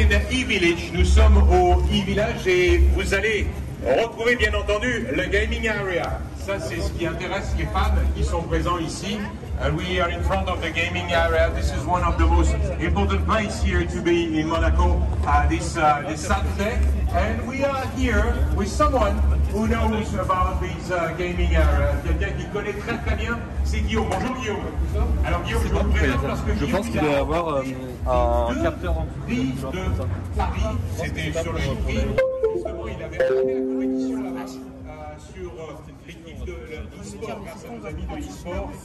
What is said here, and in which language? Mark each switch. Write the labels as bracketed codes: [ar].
[fr] E-village, nous sommes au E-village et vous allez retrouver bien entendu le gaming area. Ça c'est ce qui intéresse les fans qui sont présents ici. [en] We are in front of the gaming area. This is one of the most important places here to be in Monaco this Saturday. And we are here with someone who knows about this gaming area. [fr] Quelqu'un qui connaît très très bien, c'est Guillaume. Bonjour Guillaume. Alors Guillaume, je vous présente parce que je pense qu'il doit avoir un capteur en plus. Prix de Paris, c'était sur le prix. Justement, il avait arrêté la compétition là-bas sur l'équipe de l'e-sport, grâce à nos amis de l'e-sport.